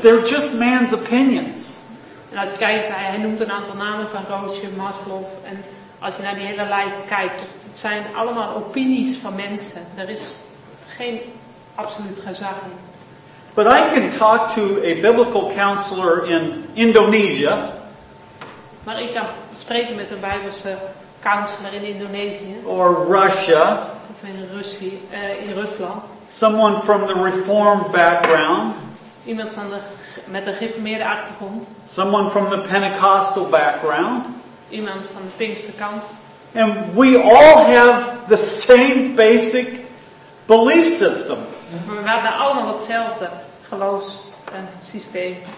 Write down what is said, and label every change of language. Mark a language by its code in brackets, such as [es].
[en] They're just man's opinions. [nl] En als je kijkt, hij noemt een aantal namen van Roger, Maslow. En als je naar die hele lijst kijkt, het zijn allemaal opinies van mensen. Er is geen absoluut gezag in. [en] But I can talk to a biblical counselor in Indonesia. [nl] Maar ik kan spreken met een Bijbelse counselor in Indonesië. [en] Or Russia. [nl] Of in Russie, in Rusland. [en] Someone from the Reformed background. [nl] Iemand van de, met een gereformeerde achtergrond. [en] Someone from the Pentecostal background. [nl] Iemand van de Pinkster kant. [en] And we all have the same basic belief system. [nl] We hebben allemaal hetzelfde geloofs en systeem.